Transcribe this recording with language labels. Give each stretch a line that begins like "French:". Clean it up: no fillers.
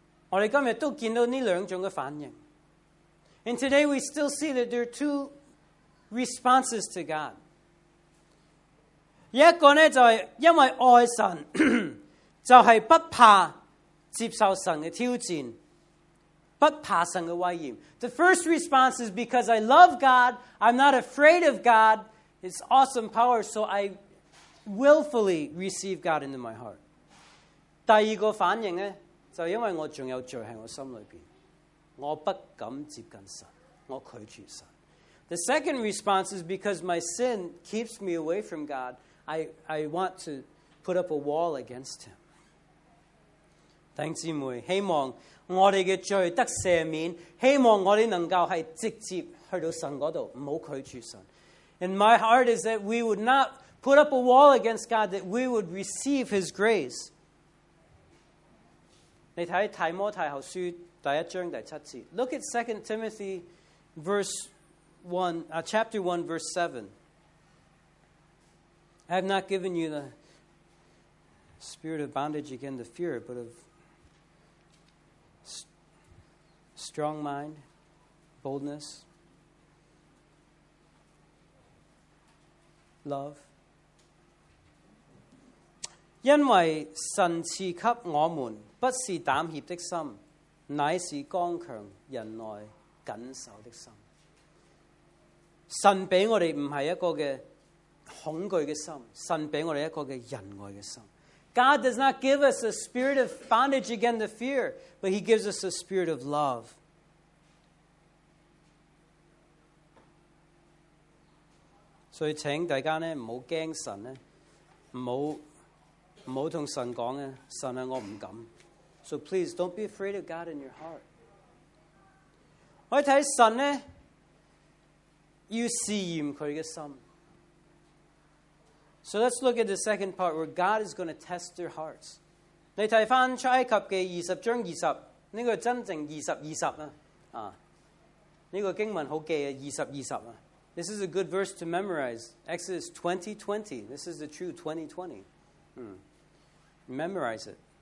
Chinese: 我们今天都见到这两种的反应。
English: And today we still see that there are two responses to God.
Chinese: 一个呢就是因为爱神就是不怕接受神的挑战，不怕神的威严。
English: The first response is because I love God, I'm not afraid of God, it's awesome power, so I willfully receive God into my heart.
Chinese: 第二个反应呢，就因为我还有罪在我心里面，我不敢接近神，我拒绝神。
English: The second response is because my sin keeps me away from God, I want to put up a wall against him.
Chinese: 弟兄姊妹，希望我们的罪得赦免，希望我们能够是直接去到神那里，不要拒绝神。
English: And my heart is that we would not put up a wall against God, that we would receive His grace.
Chinese: 你看提摩太后书第一章第七节。
English: Look at 2 Timothy chapter 1, verse 7. I have not given you the spirit of bondage again, the fear, but of strong mind, boldness, love.
Chinese: 因为神赐给我们不是胆怯的心，乃是刚强、忍耐、谨守的心。神俾我哋唔系一个嘅恐惧嘅心，神俾我哋一个嘅仁爱嘅心。
English: God does not give us a spirit of bondage again to fear, but He gives us a spirit of love.
Chinese: 所以请大家呢不要怕神呢，不要跟神说呢，神啊我不敢。
English: So please don't be afraid of God in your heart.
Chinese: 我们看神呢要试验他的心。
English: So let's look at the second part where God is going to test their hearts.
Chinese: 你看回出埃及的二十章二十，这个真正二十二十啊，这个经文很记啊，二十二十啊。
English: This is a good verse to memorize. Exodus 20:20. This is the true 20:20. Memorize it.